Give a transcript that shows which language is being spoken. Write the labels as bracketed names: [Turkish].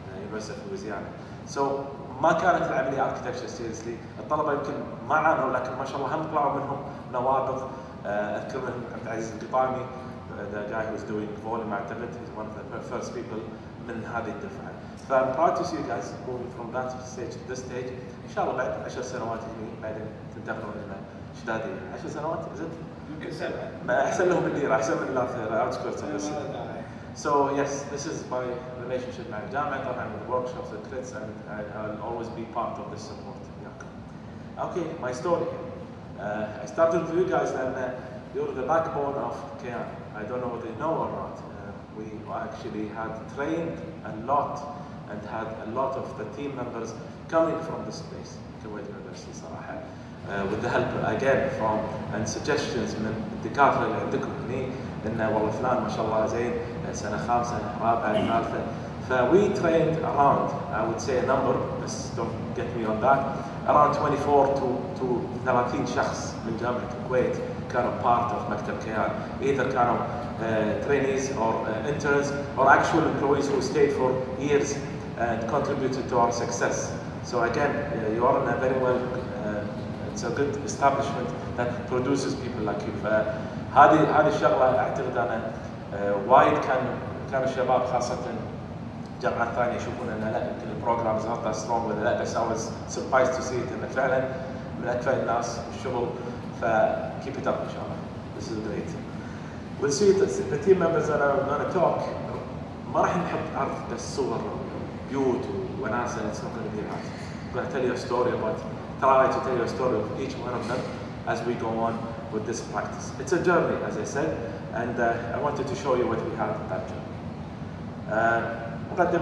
[English] University of Louisiana so [Arabic] ما كانت العملية [English] architecture seriously [Arabic] الطلبة يمكن ما عانوا لكن ما شاء الله هم طلعوا منهم نوابغ [English] اذكر من عبد العزيز القطامي the guy who was doing volume [Arabic] اعتقد [English] he's one of the first people [Arabic] من هذه الدفعة [English] So I'm proud to see you guys moving from that stage to this stage. [Arabic] Inshallah, بعد 10 سنوات هني بعدين تنتقلوا إلى شدادي. 10 سنوات [English] is it? [Arabic] يمكن سبعة. أحسن لهم الديرة أحسن من الآخر أوتسكورت. [English] So yes, this is my relationship [Arabic] مع الجامعة طبعا [English] with workshops and crits and I'll always be part of this support. Okay, my story. I started with you guys and you're the backbone of Kayan. I don't know what they know or not. We actually had trained a lot and had a lot of the team members coming from this place, Kuwait University, [Arabic] صراحة. [English] with the help again from and suggestions [Arabic] من الدكاترة اللي عندكم هني إن والله فلان ما شاء الله زين سنة خامسة رابعة ثالثة ف [English] we trained around I would say a number [Arabic] بس [English] don't get me on that around 24 to 30 [Arabic] شخص من جامعة الكويت كانوا [English] part of [Arabic] مكتب كيان [English] either [Arabic] كانوا [English] trainees or interns or actual employees who stayed for years and contributed to our success. So again, you are in a very well, it's a good establishment that produces people like you. [Arabic] هذه الشغلة أعتقد أنا وايد كان الشباب خاصة جامعة ثانية يشوفون أن لا كل البروغرامز [English] not that strong [Arabic] ولا لا بس [English] I was surprised to see it [Arabic] أن فعلا من أكثر الناس الشغل ف keep it up إن شاء الله. [English] This is great. We'll see the team members that are going to talk. [Arabic] ما راح نحط عرض بس صور بيوت وناس اللي تسوق اللي بيها. [English] Gonna tell you a story about try to tell you a story of each one of them as we go on with this practice. It's a journey, as I said, and I wanted to show you what we had that journey.